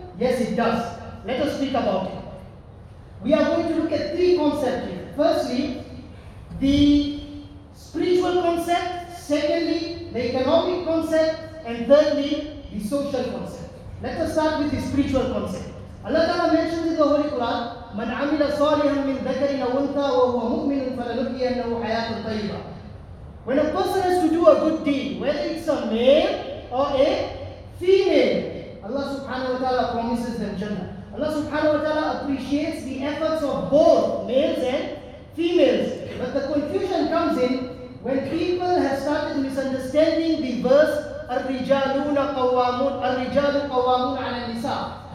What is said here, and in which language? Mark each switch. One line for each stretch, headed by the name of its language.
English: Yes, it does. Let us speak about it. We are going to look at three concepts here. Firstly, the spiritual concept. Secondly, the economic concept. And thirdly, the social concept. Let us start with the spiritual concept. Allah Ta'ala mentions in the Holy Quran,
Arabic: مَنْ عَمِلَ صَالِحًا مِنْ ذَكَرٍ أَوْ أُنْثَى وَهُوَ مُؤْمِنٌ فَلَنُحْيِيَنَّهُ حَيَاةً طَيِّبَةً.
English: When a person has to do a good deed, whether it's a male or a female, Allah subhanahu wa ta'ala promises them Jannah. Allah subhanahu wa ta'ala appreciates the efforts of both males and females. But the confusion comes in when people have started misunderstanding the verse
Arabic: Ar-Rijalu Qawwamun Ala Nisa.